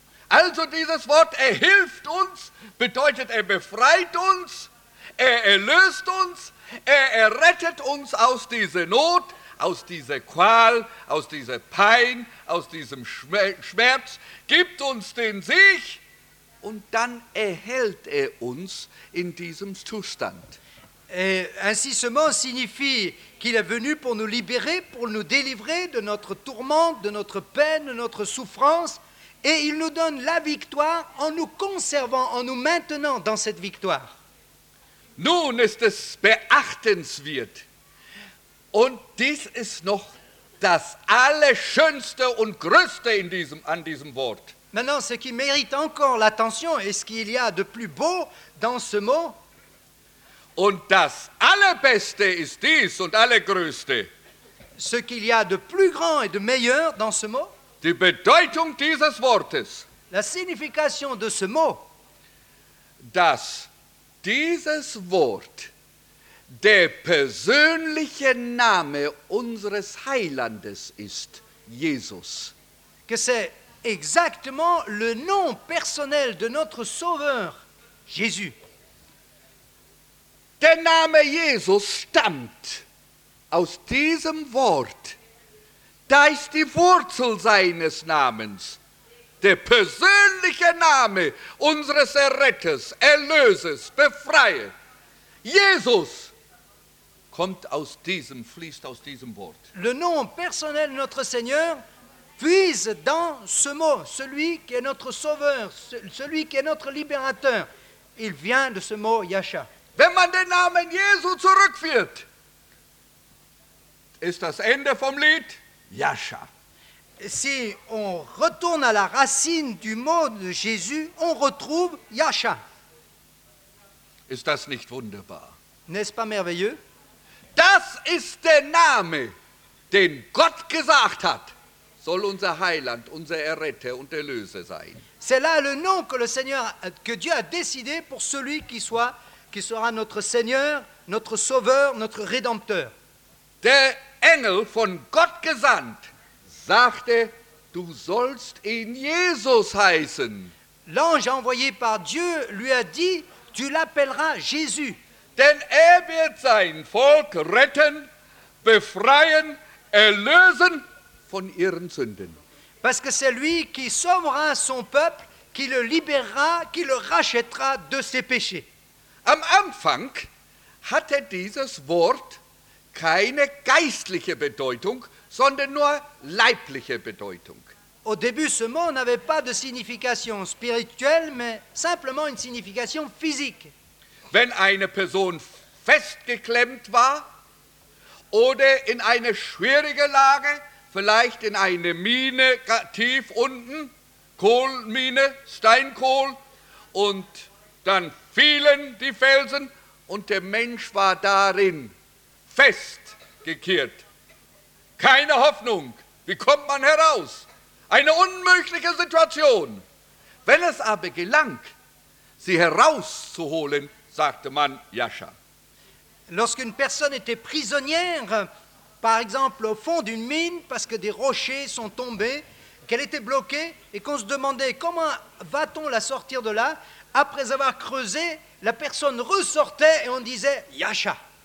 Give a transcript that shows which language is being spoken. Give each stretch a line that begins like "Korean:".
German: Also, dieses Wort, er hilft uns, bedeutet, er befreit uns, er erlöst uns, er errettet uns aus dieser Not, aus dieser Qual, aus dieser Pein, aus diesem Schmerz, gibt uns den Sieg und dann erhält er uns in diesem Zustand.
French: Et ainsi ce mot signifie qu'il est venu pour nous libérer, pour nous délivrer de notre tourmente, de notre peine, de notre souffrance, et il nous donne la victoire en nous conservant, en nous maintenant dans cette victoire.
German: Nun ist es beachtenswert. Und dies ist noch das Allerschönste und Größte in diesem, an diesem Wort.
French: Maintenant, ce qui mérite encore l'attention et ce qu'il y a de plus beau dans ce mot.
German: Und das Allerbeste ist dies und Allergrößte.
French: Ce qu'il y a de plus grand et de meilleur dans ce mot.
German: Die Bedeutung dieses Wortes.
French: La signification de ce mot.
German: Dass dieses Wort der persönliche Name unseres Heilandes ist, Jesus.
French: Que c'est exactement le nom personnel de notre Sauveur, Jésus.
German: Der Name Jesus stammt aus diesem Wort. Da ist die Wurzel seines Namens. Der persönliche Name unseres Erretters, Erlösers, Befreier, Jesus, kommt aus diesem, fließt aus diesem Wort.
French: Le nom personnel de notre Seigneur puise dans ce mot, celui qui est notre Sauveur, celui qui est notre Libérateur. Il vient de ce mot Yasha.
German: Wenn man den Namen Jesu zurückführt, ist das Ende vom Lied Yasha.
French: Si on retourne à la racine du mot de Jésus, on retrouve Yasha.
German: Ist das nicht wunderbar?
French: N'est-ce pas merveilleux?
German: Das ist der Name, den Gott gesagt hat, soll unser Heiland, unser Erretter und Erlöser sein.
French: C'est là le nom que le Seigneur, que Dieu a décidé pour celui qui soit, qui sera notre Seigneur, notre Sauveur, notre Rédempteur.
German: Der Engel von Gott gesandt, sagte, du sollst ihn Jesus heißen.
French: L'ange envoyé par Dieu lui a dit, tu l'appelleras Jésus.
German: Denn er wird sein Volk retten, befreien, erlösen von ihren Sünden.
French: Parce que c'est lui qui sauvera son peuple, qui le libérera, qui le rachètera de ses péchés.
German: Am Anfang hatte dieses Wort keine geistliche Bedeutung, sondern nur leibliche Bedeutung.
French: Au début, ce mot n'avait pas de signification spirituelle, mais simplement une signification physique.
German: Wenn eine Person festgeklemmt war oder in eine schwierige Lage, vielleicht in eine Mine tief unten, Kohlmine, Steinkohl, und dann fielen die Felsen und der Mensch war darin festgekehrt. Keine Hoffnung. Wie kommt man heraus? Eine unmögliche Situation. Wenn es aber gelang, sie herauszuholen, sagte man Yasha.
French: Lorsqu'une personne était prisonnière, par exemple au fond d'une mine, parce que des rochers sont tombés, qu'elle était bloquée et qu'on se demandait comment va-t-on la sortir de là, après avoir creusé, la personne ressortait et on disait Yasha.